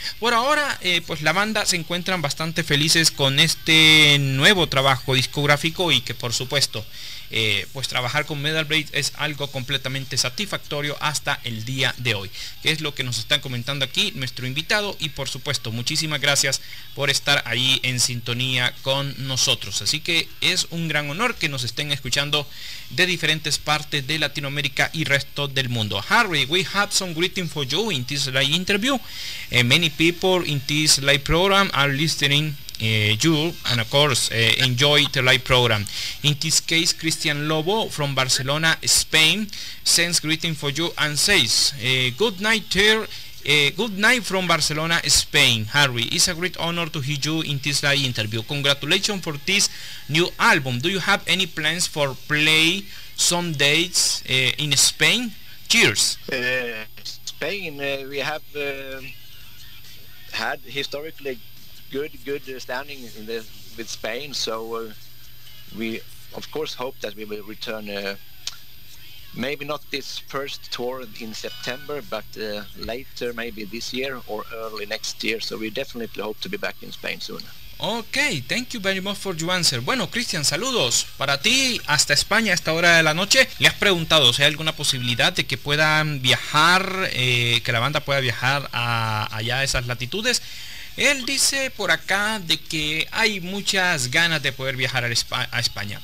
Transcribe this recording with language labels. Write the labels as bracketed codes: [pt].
[es] Por ahora, pues la banda se encuentran bastante felices con este nuevo trabajo discográfico y que, por supuesto, pues trabajar con Metal Blade es algo completamente satisfactorio hasta el día de hoy, que es lo que nos están comentando aquí nuestro invitado. Y por supuesto, muchísimas gracias por estar ahí en sintonía con nosotros. Así que es un gran honor que nos estén escuchando de diferentes partes de Latinoamérica y resto del mundo. [en] Harry, we have some greeting for you in this live interview. Many people in this live program are listening. You and of course enjoy the live program. In this case, Christian Lobo from Barcelona, Spain, sends greeting for you and says, "Good night, dear. Good night from Barcelona, Spain. Harry, it's a great honor to hear you in this live interview. Congratulations for this new album. Do you have any plans for play some dates in Spain? Cheers." Spain, we have had historically good standing in the, with Spain, so we of course hope that we will return, maybe not this first tour in September, but later, maybe this year or early next year. So we definitely hope to be back in Spain soon. Okay, thank you very much for your answer. [es] Bueno, Christian, saludos para ti hasta España a esta hora de la noche. ¿Le has preguntado si hay alguna posibilidad de que puedan viajar, que la banda pueda viajar a allá a esas latitudes? Él dice por acá de que hay muchas ganas de poder viajar a España.